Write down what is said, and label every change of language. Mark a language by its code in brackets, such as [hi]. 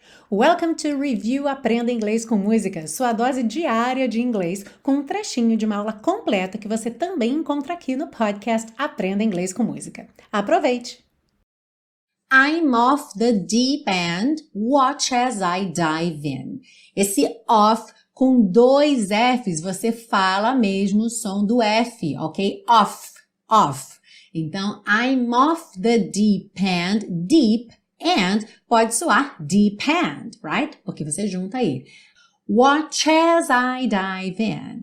[en] Welcome to [pt] Review Aprenda Inglês com Música, sua dose diária de inglês, com um trechinho de uma aula completa que você também encontra aqui no podcast Aprenda Inglês com Música. Aproveite! [en] I'm off the deep end, watch as I dive in. [pt] Esse off com dois F's, você fala mesmo o som do F, ok? [en] Off, off. [pt] Então, [en] I'm off the deep end, deep and [pt] pode soar [en] deep end, right? [pt] Porque você junta aí. [en] Watch as I dive in.